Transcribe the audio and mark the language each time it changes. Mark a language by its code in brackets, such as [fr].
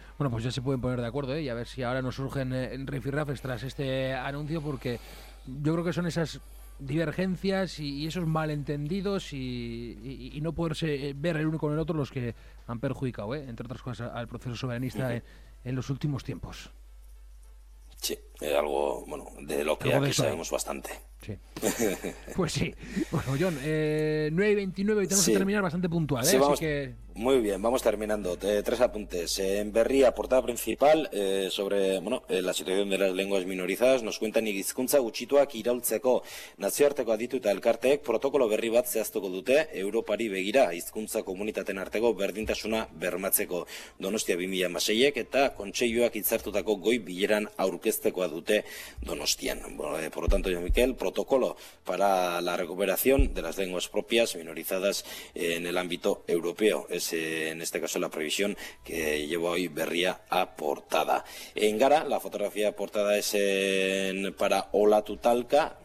[es] Bueno, pues ya se pueden poner de acuerdo, ¿eh? Y a ver si ahora nos surgen rifirrafes tras este anuncio, porque yo creo que son esas divergencias y esos malentendidos y no poderse ver el uno con el otro los que han perjudicado, ¿eh?, entre otras cosas, al proceso soberanista en los últimos tiempos. Sí, es algo, bueno, de lo que aquí sabemos bastante. Sí. Pues sí. Bueno, John, 9:29 y tenemos que terminar bastante puntual, ¿eh? Sí, vamos. Así que... Muy bien, vamos terminando. Tres apuntes. En Berria, portada principal, sobre la situación de las lenguas minorizadas, nos cuentan [eu] hizkuntza gutxituak iraultzeko nazioarteko aditu eta elkarteek protokolo berri bat zehaztuko dute Europari begira hizkuntza komunitateen arteko berdintasuna bermatzeko. Donostia 2016ek eta kontseiluak hitzartutako goi bileran aurkeztekoa dute Donostian. [es] Bueno, por lo tanto, yo, Mikel, protocolo para la recuperación de las lenguas propias minorizadas en el ámbito europeo. Es en este caso la previsión que llevo hoy Berria a portada. En Gara, la fotografía portada es para Olatu Talka.